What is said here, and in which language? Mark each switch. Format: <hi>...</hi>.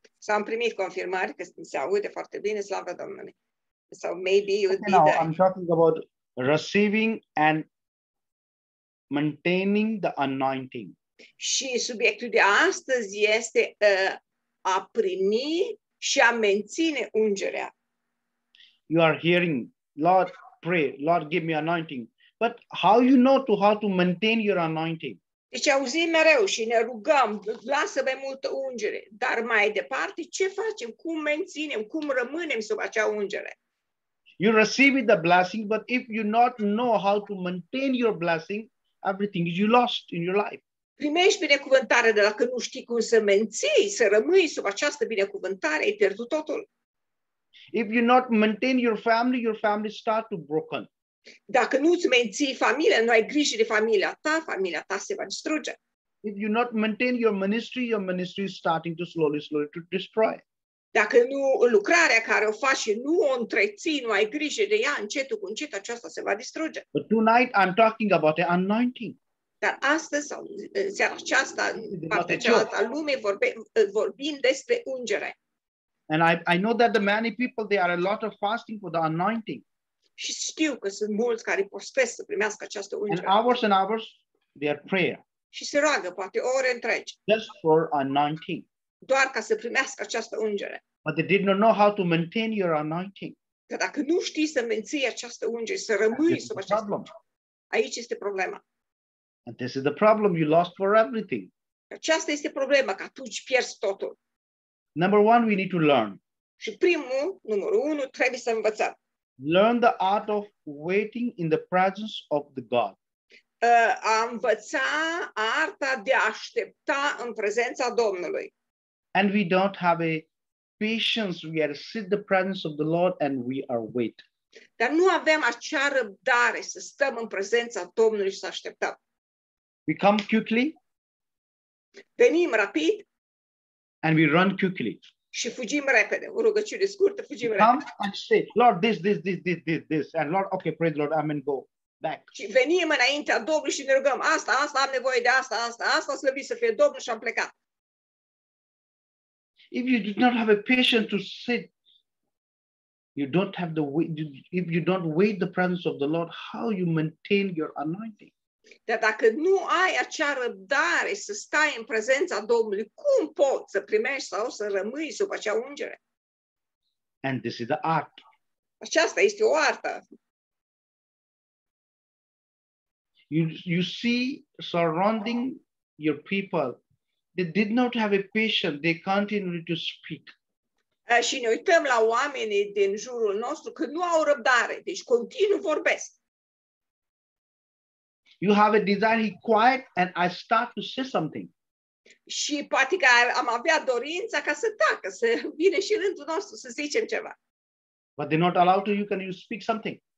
<ro>S-am primit confirmări că se aude foarte bine, slavă Domnului.</ro> <en>So maybe it would be now, I'm talking about receiving and maintaining the anointing.</en> <ro>Și subiectul de astăzi este a primi și a menține ungerea.</ro> <en>You are hearing, Lord, pray, Lord, give me anointing. But how you know how to maintain your anointing?</en> <ro>Deci auzim mereu și ne rugăm, lasă mai multă ungere. Dar mai departe, ce facem? Cum menținem? Cum rămânem sub acea ungere?</ro> <en>You receive the blessing, but if you not know how to maintain your blessing, everything is you lost in your life.</en> <ro>Primești binecuvântare, dar dacă nu știi cum să menții, să rămâi sub această binecuvântare, ai pierdut totul.</ro> <en>If you not maintain your family start to broken.</en> <ro>Dacă nu îți menții familia, nu ai grijă de familia ta se va distruge.</ro> <en>If you not maintain your ministry is starting to slowly to destroy.</en> <ro>Dacă nu lucrarea care o faci și nu o întreții, nu ai grijă de ea, încetul cu încet aceasta se va distruge.</ro> <en>But tonight I'm talking about the anointing.</en> <ro>Dar astăzi sau seara aceasta, partea cealaltă a lumei, vorbim despre ungere.</ro> <en>And I know that the many people there are a lot of fasting for the anointing.</en> <ro>Și știu că sunt mulți care postesc să primească această ungere.</ro> <en>And hours their prayer.</en> <ro>Și se roagă poate ore întregi.</ro> <en>Just for anointing.</en> <ro>Doar ca să primească această ungere.</ro> <en>But they did not know how to maintain your anointing.</en> <ro>Că dacă nu știi să menții această ungere, să rămâi sub această ungere. Aici este problema.</ro> <en>And this is the problem you lost for everything.</en> <ro>Aceasta este problema că atunci pierzi totul.</ro> <en>Number one, we need to learn.</en> <ro>Și primul, numărul unu, trebuie să învățăm.</ro> <en>Learn the art of waiting in the presence of the God.</en> <ro>A învăța arta de a aștepta în prezența Domnului.</ro> <en>And we don't have a patience. We are sit the presence of the Lord and we are wait.</en> <ro>Dar nu avem acea răbdare să stăm în prezența Domnului și să așteptăm.</ro> <en>We come quickly.</en> <ro>Venim rapid.</ro> <en>And we run quickly.</en> <ro>Și fugim repede. O rugăciune scurtă, fugim repede.</ro> <en>Come and say, Lord, this. And Lord, okay, praise the Lord, amen, go back.</en> <ro>Și venim înaintea Domnului și ne rugăm, asta, am nevoie de asta, slăbit să fie Domnul și am plecat.</ro> <en>If you do not have a patience to sit, you don't have the way, if you don't wait the presence of the Lord, how you maintain your anointing?</en> <ro>Dar dacă nu ai acea răbdare să stai în prezența Domnului, cum poți să primești sau să rămâi sub acea ungere?</ro> <en>And this is the art.</en> <ro>Aceasta este o artă.</ro> <en>You see surrounding your people, they did not have a patience, they continued to speak.</en> <ro>Și ne uităm la oamenii din jurul nostru că nu au răbdare, deci continuu vorbesc.</ro> <en>You have a desire, he quiet, and I start to say something.</en> <ro>Și poate că am avea dorința ca să tacă, să vine și rândul nostru să zicem ceva.</ro> <en>But they're not allowed to, you can you speak something.</en>